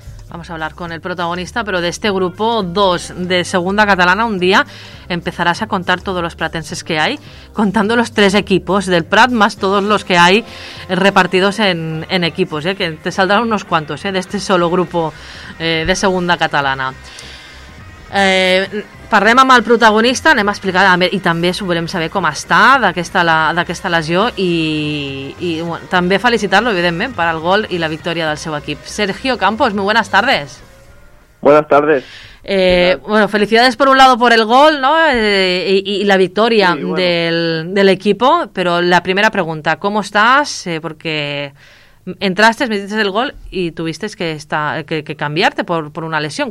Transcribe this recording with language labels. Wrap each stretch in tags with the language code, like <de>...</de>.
<es>Vamos a hablar con el protagonista, pero de este grupo 2 de Segunda Catalana, un día empezarás a contar todos los pratenses que hay, contando los 3 equipos del Prat, más todos los que hay repartidos en equipos, que te saldrán unos cuantos de este solo grupo de Segunda Catalana.</es> <ca>Parlem amb el protagonista, anem a explicar, i també volem saber com està d'aquesta lesió i bueno, també felicitar-lo, evidentment, per el gol i la victòria del seu equip.</ca> <es>Sergio Campos, muy buenas tardes. Buenas tardes. Bueno, felicidades por un lado por el gol, ¿no? Y la victoria sí, bueno. del equipo, pero la primera pregunta, ¿cómo estás? Porque entraste, metiste el gol y tuviste que cambiarte por una lesión.</es>